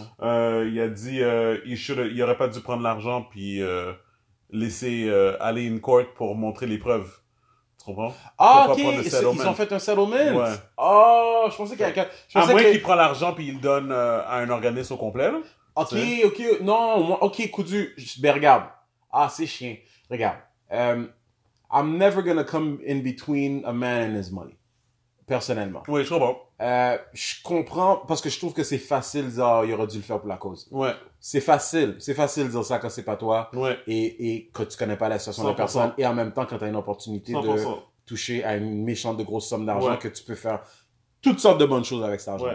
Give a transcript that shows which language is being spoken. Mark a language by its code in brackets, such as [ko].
[fr] Il a dit il aurait pas dû prendre l'argent puis laisser aller in court pour montrer les preuves. Tu comprends? Ah, ok! Ils ont fait un settlement? Ouais. Oh, je pensais qu'il y a quelqu'un... À moins qu'il prend l'argent puis il donne à un organisme au complet. Là. Ok, c'est... ok. Non, moi, ok, coudu. Ben, regarde. Ah, c'est chien. [en] Regarde, I'm never gonna come in between a man and his money, personnellement. [fr] Oui, je comprends. Je comprends parce que je trouve que c'est facile de dire, il aurait dû le faire pour la cause. Ouais. C'est facile de dire ça quand c'est pas toi. Ouais. Et que tu connais pas la situation 100%. De la personne et en même temps quand t'as une opportunité 100%. De toucher à une méchante de grosse somme d'argent que tu peux faire toutes sortes de bonnes choses avec cet argent-là.